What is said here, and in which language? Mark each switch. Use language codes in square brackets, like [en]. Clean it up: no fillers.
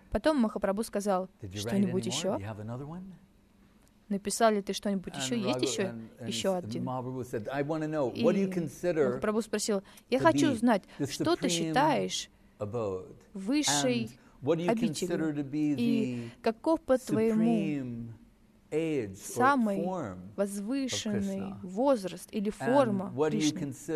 [ru] Потом Махапрабху сказал, что-нибудь еще? [en] You have another one? [ru] Написал ли ты что-нибудь еще? Есть еще один? [en] Said, I want to know, what do you consider? [ru] И Махапрабху спросил, я хочу знать, что ты считаешь высшей обителью? И каков по твоему самый возвышенный возраст или форма Кришны?